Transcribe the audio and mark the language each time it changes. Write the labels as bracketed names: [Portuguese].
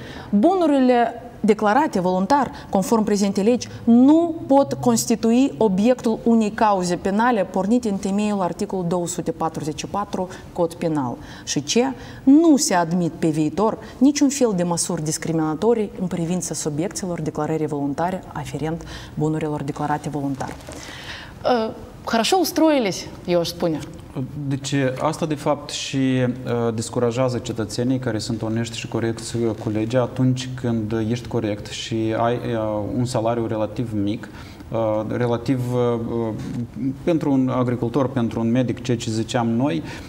[Romanian] Bunurile declarate voluntar, conform prezentei legi, nu pot constitui obiectul unei cauze penale pornite în temeiul articolului 244 Cod Penal. Și ce? Nu se admit pe viitor niciun fel de măsuri discriminatorii în privința subiectelor declarării voluntare aferent bunurilor declarate voluntar. [Russian] Хорошо устроились, я уж понял. [Romanian] Deci asta de fapt și descurajează cetățenii care sunt onești și corecți cu legea atunci când ești corect și ai un salariu relativ mic, relativ pentru un agricultor, pentru un medic, ceea ce ziceam noi,